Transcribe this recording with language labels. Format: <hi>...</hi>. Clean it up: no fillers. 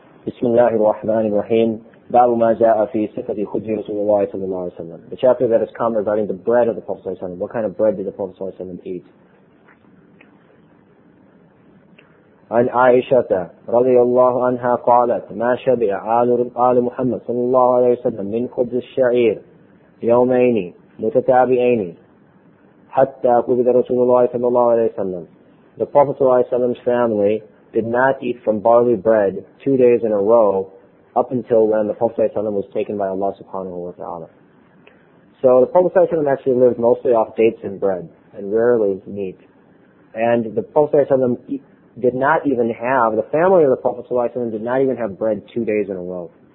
<ar>بسم الله الرحمن الرحيم باب ما جاء في صفة خبز رسول الله صلى الله عليه وسلم.</ar> <en>The chapter that has come regarding the bread of the Prophet صلى الله عليه وسلم. What kind of bread did the Prophet صلى الله عليه وسلم eat?</en> <ar>عن عائشة رضي الله عنها قالت ما شبع آل محمد صلى الله عليه وسلم من خبز الشعير يومين متتابعين حتى قبض رسول الله صلى الله عليه وسلم.</ar> <en>The Prophet صلى الله عليه وسلم's family did not eat from barley bread 2 days in a row up until when the Prophet ﷺ was taken by Allah subhanahu wa ta'ala. So the Prophet ﷺ actually lived mostly off dates and bread and rarely meat. And the Prophet ﷺ did not even have, the family of the Prophet ﷺ did not even have bread 2 days in a row.</en>